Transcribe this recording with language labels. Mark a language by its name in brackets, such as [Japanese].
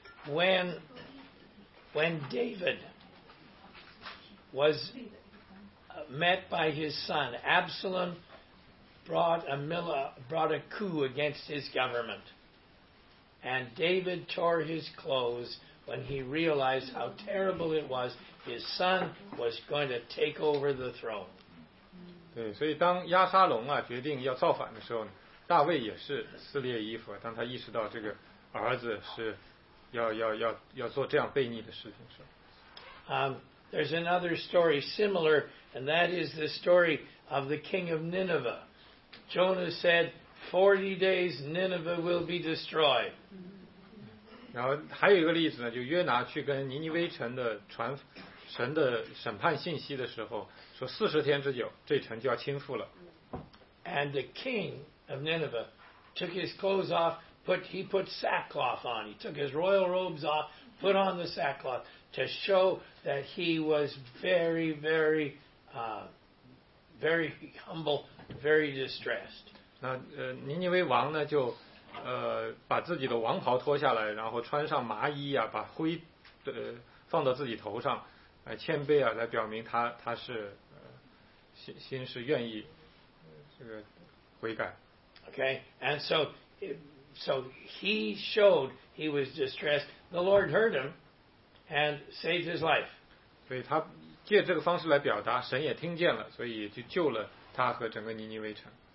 [English] When David was met by his son, Absalom brought a coup against his government, and David tore his clothes. When he realized how terrible it was, his son was going to take over the throne. [Chinese] 对，所以当亚沙龙啊决定要造反的时候呢，大卫也是撕裂衣服。当他意识到这个儿子是要做这样悖逆的事情是。 [English] There's another story similar, and that is the story of the king of Nineveh. Jonah said, 40 days Nineveh will be destroyed. [Chinese] 然后还有一个例子呢，就约拿去跟尼尼微城的传神的审判信息的时候，说40天之久，这城就要倾覆了。 [English] And the king of Nineveh took his clothes off, put sackcloth on. He took his royal robes off, put on the sackcloth. To show that he was very, very, very humble, very distressed. [Chinese] 那尼尼微王呢就把自己的王袍脱下来，然后穿上麻衣啊，把灰放到自己头上，谦卑啊，来表明他是心是愿意这个悔改。 [English] Okay, and so he showed he was distressed. The Lord heard him. And saved his life. [Chinese] 所以他借这个方式来表达，神也听见了，所以就救了他和整个尼尼微城。